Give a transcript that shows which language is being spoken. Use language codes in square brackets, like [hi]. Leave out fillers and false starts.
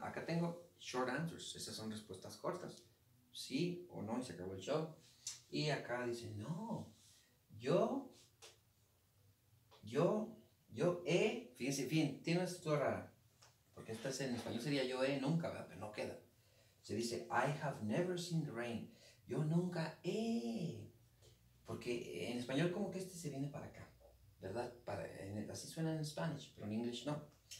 [es] Acá tengo short answers, esas son respuestas cortas. Sí o no, y se acabó el show. Y acá dice no, yo he, fíjense bien, tiene una estructura rara, porque esta es en español, sería yo he nunca, ¿verdad? Pero no queda. Se dice, [en] I have never seen the rain. [es] Yo nunca he. Porque en español como que este se viene para acá, ¿verdad? Así suena en Spanish, pero en English no.